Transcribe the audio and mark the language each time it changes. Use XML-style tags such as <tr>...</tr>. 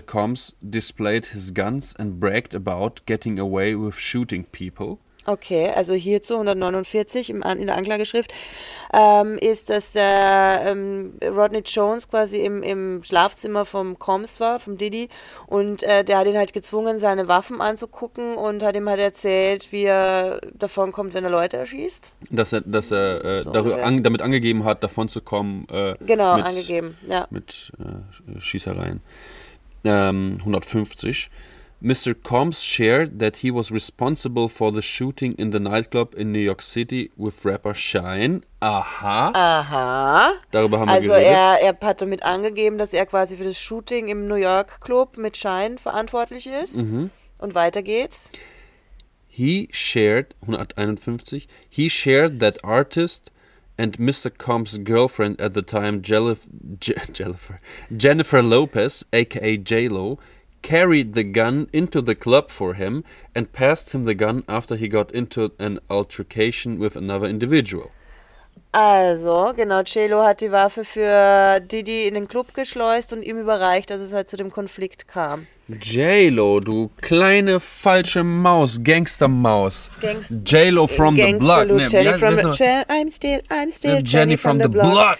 <en>Combs displayed his guns and bragged about getting away with shooting people.</en> <de>Okay, also hierzu 149 in der Anklageschrift ist, dass der Rodney Jones quasi im Schlafzimmer vom Combs war, vom Diddy, und der hat ihn halt gezwungen, seine Waffen anzugucken und hat ihm halt erzählt, wie er davon kommt, wenn er Leute erschießt. Dass er so damit angegeben hat, davon zu kommen. Genau, mit, angegeben, ja. Mit Schießereien. 150. Mr.</de> <en>Combs shared that he was responsible for the shooting in the nightclub in New York City with rapper Shine. Aha. Aha.</en> <de>Darüber haben also wir geredet. Also er hat damit angegeben, dass er quasi für das Shooting im New York Club mit Shine verantwortlich ist. Mhm. Und weiter geht's.</de> <en>He shared, 151, he shared that artist and Mr. Combs' girlfriend at the time, Jennifer Lopez, aka J-Lo, carried the gun into the club for him and passed him the gun after he got into an altercation with another individual.</en> <de>Also, genau, J-Lo hat die Waffe für Diddy in den Club geschleust und ihm überreicht, dass es halt zu dem Konflikt kam. J-Lo, du kleine falsche Maus, Gangstermaus.</de> <en>J-Lo from the block. Jenny from the block,</en>